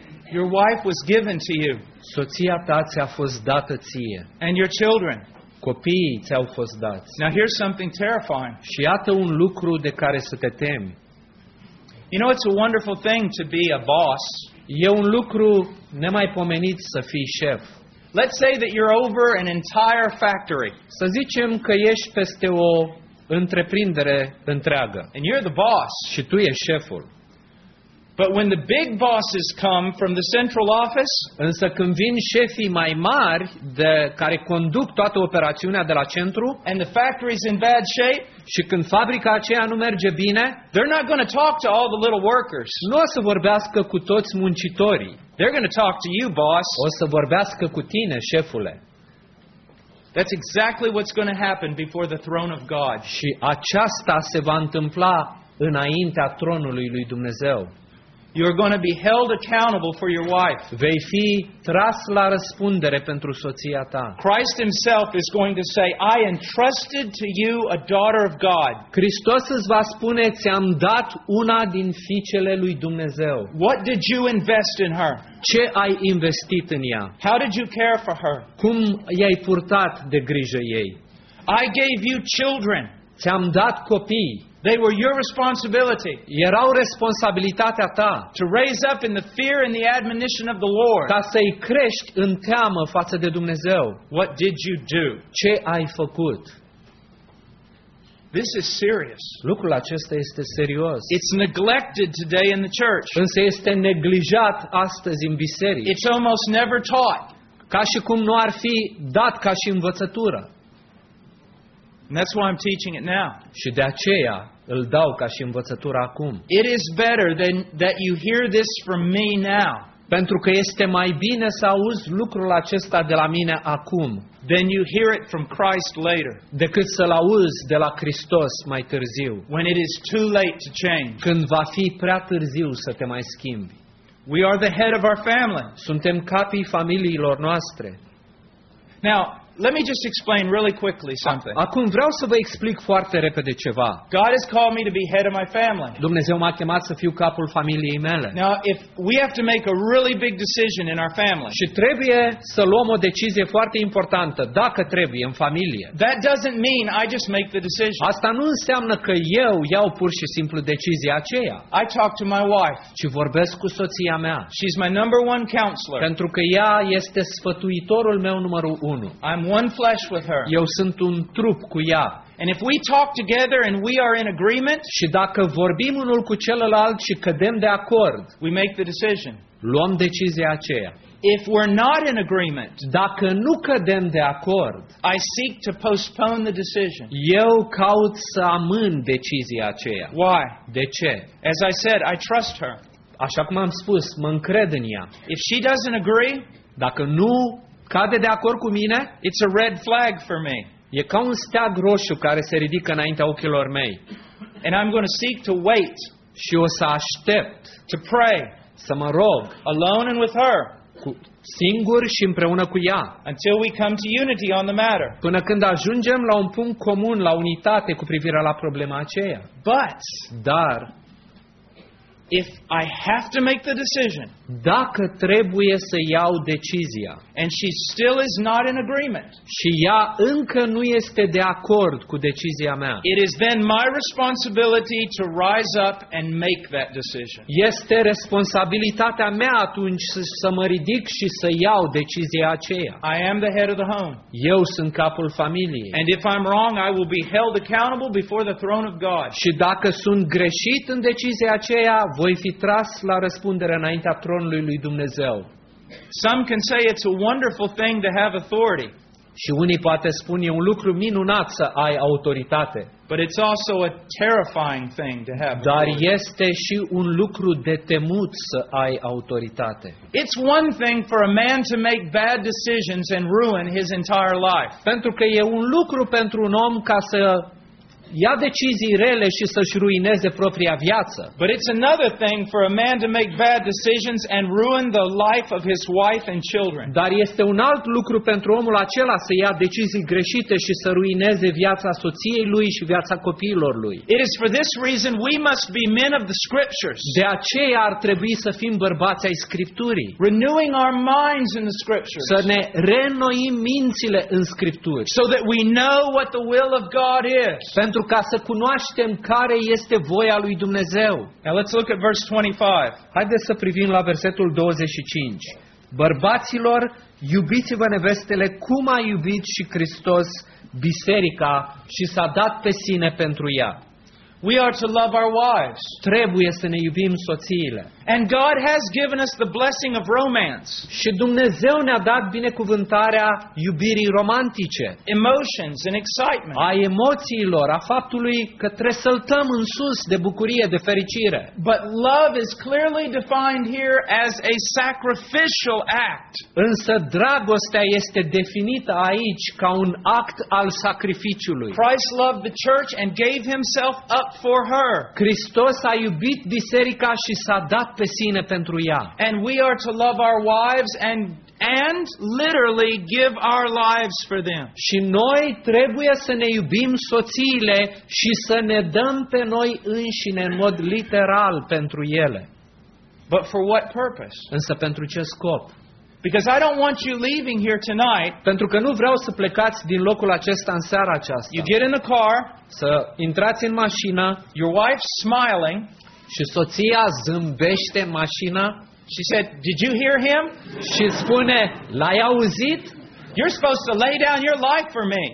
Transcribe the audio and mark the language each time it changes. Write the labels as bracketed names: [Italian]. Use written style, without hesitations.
[English] Your wife was given to you. [Romanian] Soția ta ți-a fost dată ție. [English] And your children. [Romanian] Copiii ți-au fost dați. [English] Now here's something terrifying. [Romanian] Și iată un lucru de care să te temi. [English] You know, it's a wonderful thing to be a boss. [Romanian] E un lucru nemaipomenit să fii șef. [English] Let's say that you're over an entire factory. [Romanian] Să zicem că ești peste o întreprindere întreagă. [English] And you're the boss. [Romanian] Și tu ești șeful. [English] But when the big bosses come from the central office, [Romanian] însă când vin șefii mai mari de care conduc toată operațiunea de la centru, [English] and the factory's in bad shape, [Romanian] și când fabrica aceea nu merge bine, [English] they're not going to talk to all the little workers. [Romanian] Nu o să vorbească cu toți muncitorii. [English] They're going to talk to you, boss. [Romanian] O să vorbească cu tine, șefule. [English] That's exactly what's going to happen before the throne of God. [Romanian] Și aceasta se va întâmpla înaintea tronului lui Dumnezeu. [English] You're going to be held accountable for your wife. [Romanian] Vei fi tras la răspundere pentru soția ta. [English] Christ himself is going to say, I entrusted to you a daughter of God. [Romanian] Hristos îți va spune, ți-am dat una din fiicele lui Dumnezeu. [English] What did you invest in her? [Romanian] Ce ai investit în ea? [English] How did you care for her? [Romanian] Cum i-ai purtat de grijă ei? [English] I gave you children. [Romanian] Ți-am dat copii. [English] They were your responsibility. [Romanian] Erau responsabilitatea ta. [English] To raise up in the fear and the admonition of the Lord. [Romanian] Ca să-i crești în teamă față de Dumnezeu. [English] What did you do? [Romanian] Ce ai făcut? [English] This is serious. [Romanian] Lucrul acesta este serios. [English] It's neglected today in the church. [Romanian] Însă este neglijat astăzi în biserică. [English] It's almost never taught. [Romanian] Ca și cum nu ar fi dat ca și învățătură. [English] And that's why I'm teaching it now. [Romanian] Și de aceea îl dau ca și învățătură acum. [English] It is better than that you hear this from me now. [Romanian] Pentru că este mai bine să auzi lucrul acesta de la mine acum. [English] Then you hear it from Christ later. [Romanian] Decât să-l auzi de la Hristos mai târziu. [English] When it is too late to change. [Romanian] Când va fi prea târziu să te mai schimbi. [English] We are the head of our family. [Romanian] Suntem capii familiilor noastre. [English] Now, let me just explain really quickly something. [Romanian] Acum vreau să vă explic foarte repede ceva. [English] God has called me to be head of my family. [Romanian] Dumnezeu m-a chemat să fiu capul familiei mele. [English] Now, if we have to make a really big decision in our family, [Romanian] și trebuie să luăm o decizie foarte importantă, dacă trebuie, în familie, [English] that doesn't mean I just make the decision. [Romanian] Asta nu înseamnă că eu iau pur și simplu decizia aceea. [English] I talk to my wife. [Romanian] Ci vorbesc cu soția mea. [English] She's my number one counselor. [Romanian] Pentru că ea este sfătuitorul meu numărul unu. [English] I'm one flesh with her. [Romanian] Eu sunt un trup cu ea. [English] And if we talk together and we are in agreement, [Romanian] și dacă vorbim unul cu celălalt și cădem de acord, [English] we make the decision. [Romanian] Luăm decizia aceea. [English] If we're not in agreement, [Romanian] dacă nu cădem de acord, [English] I seek to postpone the decision. [Romanian] Eu caut să amân decizia aceea. [English] Why? [Romanian] De ce? [English] As I said, I trust her. [Romanian] Așa cum am spus, mă încred în ea. [English] If she doesn't agree, [Romanian] dacă nu cade de acord cu mine, [English] it's a red flag for me. [Romanian] E ca un steag roșu care se ridică înaintea ochilor mei. [English] And I'm going to seek to wait. [Romanian] Și o să aștept. [English] To pray. [Romanian] Să mă rog. [English] Alone and with her. [Romanian] Singur și împreună cu ea. [English] Until we come to unity on the matter. [Romanian] Până când ajungem la un punct comun, la unitate cu privire la problema aceea. [English] But. [Romanian] Dar. [English] If I have to make the decision, [Romanian] dacă trebuie să iau decizia, [English] and she still is not in agreement, [Romanian] și ea încă nu este de acord cu decizia mea, [English] it is then my responsibility to rise up and make that decision. [Romanian] Este responsabilitatea mea atunci să mă ridic și să iau decizia aceea. [English] I am the head of the home. [Romanian] Eu sunt capul familiei. [English] And if I'm wrong, I will be held accountable before the throne of God. [Romanian] Și dacă sunt greșit în decizia aceea, voi fi tras la răspundere înaintea tronului lui Dumnezeu. [English] Some can say it's a wonderful thing to have authority. [Romanian] Și unii poate spune un lucru minunat să ai autoritate. [English] But it's also a terrifying thing to have. [Romanian] Dar este și un lucru de temut să ai autoritate. [English] It's one thing for a man to make bad decisions and ruin his entire life. [Romanian] Pentru că e un lucru pentru un om ca să ia decizii rele și să-și ruineze propria viață. [English] But it's another thing for a man to make bad decisions and ruin the life of his wife and children. [Romanian] Dar este un alt lucru pentru omul acela să ia decizii greșite și să ruineze viața soției lui și viața copiilor lui. [English] It is for this reason we must be men of the scriptures. [Romanian] De aceea ar trebui să fim bărbați ai Scripturii. [English] Renewing our minds in the scriptures. [Romanian] Să ne reînnoim mințile în Scripturi. [English] So that we know what the will of God is. [Romanian] Pentru ca să cunoaștem care este voia lui Dumnezeu. [English] Now let's look at verse 25. [Romanian] Haideți să privim la versetul 25. Bărbaților, iubiți-vă nevestele cum a iubit și Hristos biserica și s-a dat pe sine pentru ea. [English] We are to love our wives. [Romanian] Trebuie să ne iubim soțiile. [English] And God has given us the blessing of romance. [Romanian] Și Dumnezeu ne-a dat binecuvântarea iubirii romantice. [English] Emotions and excitement. [Romanian] A emoțiilor, a faptului că tresăltăm în sus de bucurie, de fericire. [English] But love is clearly defined here as a sacrificial act. [Romanian] Însă dragostea este definită aici ca un act al sacrificiului. [English] Christ loved the church and gave himself up for her. [Romanian] Hristos a iubit biserica și s-a dat pe sine pentru ea. [English] And we are to love our wives and literally give our lives for them. [Romanian] Și noi trebuie să ne iubim soțiile și să ne dăm pe noi înșine în mod literal pentru ele. [English] But for what purpose? [Romanian] Însă pentru ce scop? [English] Because I don't want you leaving here tonight. [Romanian] Pentru că nu vreau să plecați din locul acesta în seara aceasta. [English] You get in the car. [Romanian] Să intrați în mașină. [English] Your wife smiling. [Romanian] Și soția zâmbește în mașină. [English] She said, "Did you hear him?" [Romanian] Și spune, "L-ai auzit?" [English] You're supposed to lay down your life for me.